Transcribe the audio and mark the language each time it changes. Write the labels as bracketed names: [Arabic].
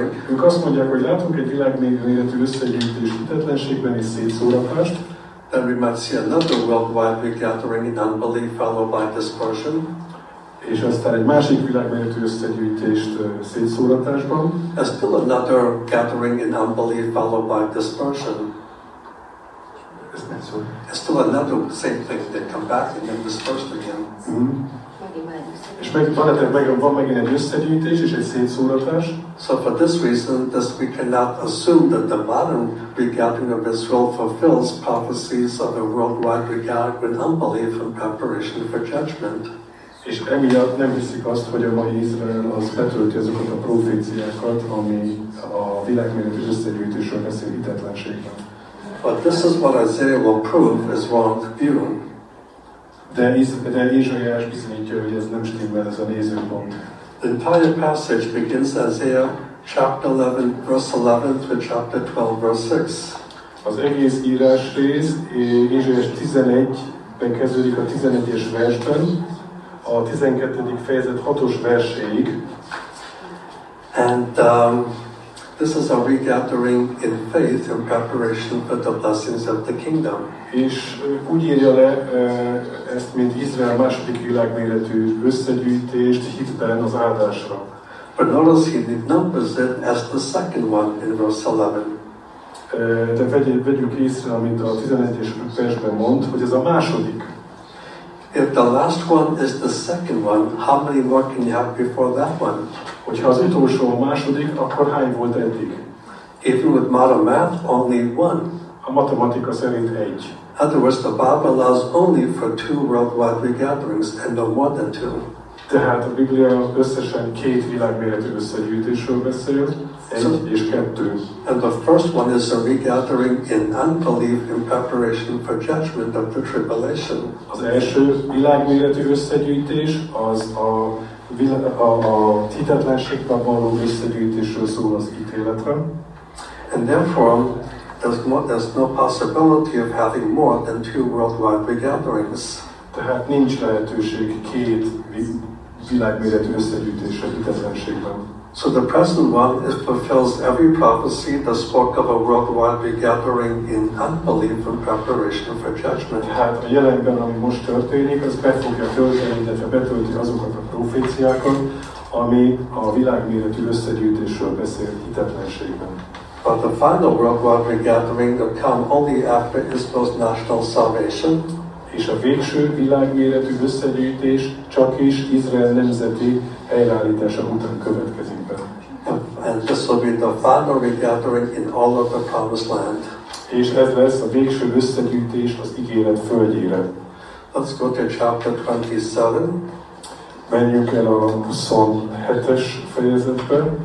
[Hungarian] Ők azt mondják, hogy látunk egy világméretű összegyűjtés hitetlenségben és szétszórapást. [English] Then we might see another worldwide big gathering in unbelief followed by dispersion. [Hungarian] És aztán egy másik világméretű összegyűjtést szétszóratásban. [English] And still another gathering in unbelief followed by dispersion. And still another same thing that come back and then dispersed again. [Hungarian] És van megint egy összegyűjtés és egy szétszóratás. [English] So for this reason, thus we cannot assume that the modern regathering of Israel fulfills prophecies of a worldwide regathering with unbelief in preparation for judgment. [Hungarian] És emiatt nem hiszik azt, hogy a mai Izrael az betölti azokat a proféciákat, ami a világméretű összegyűjtésről beszél hitetlenségben. [English] But this is what Isaiah will prove is wrong view. [Hungarian] De Ézsaiás bizonyítja, hogy ez nem stimmel ez a nézőpont. [English] The entire passage begins Isaiah chapter 11 verse 11 to chapter 12 verse 6. [Hungarian] Az egész írás rész Ézsaiás 11-ben kezdődik a 11-es versben, a 12. fejezet 6-os verséig. [English] And this is a regathering in faith in preparation for the blessings of the kingdom. [Hungarian] És úgy írja le ezt, mint Izrael második világméretű összegyűjtést hitben az áldásra. [English] But notice he did not present as the second one in verse 11. [Hungarian] De vegyük észre, amit a 11-es versben mond, hogy ez a második. [English] If the last one is the second one, how many more can you have before that one? [Hungarian] Hogyha az utolsó a második, akkor hány volt eddig? [English] Even with modern math, only one. [Hungarian] A matematika szerint egy. [English] In other words, the Bible allows only for two worldwide regatherings and no more than two. [Hungarian] Tehát a Biblia összesen két világméretű összegyűjtésről beszél, egy és kettő. [English] And the first one is a regathering in unbelief in preparation for judgment of the tribulation. [Hungarian] Az első világméretű összegyűjtés az a hitetlenségben való összegyűjtésről szól az ítéletre. [English] And therefore, there's no possibility of having more than two worldwide regatherings. [Hungarian] Tehát nincs lehetőség két világméretű összegyűjtésre hitetlenségben. [English] So the present one fulfills every prophecy that spoke of a worldwide regathering in unbelief in preparation for judgment. [Hungarian] Tehát a jelenben, ami most történik, az be fogja tölteni, illetve betölti azokat a proféciákat, ami a világméretű összegyűjtésről beszél hitetlenségben. [English] But the final worldwide regathering will come only after Israel's national salvation. [Hungarian] És a végső világméretű összegyűjtés csak is Izrael nemzeti helyreállítása után következik be. [English] And this will be the final regathering in all of the promised land. [Hungarian] És ez lesz a végső összegyűjtés az ígéret földjére. [English] Let's go to chapter 27. [Hungarian] Menjünk el a 27-es fejezetbe.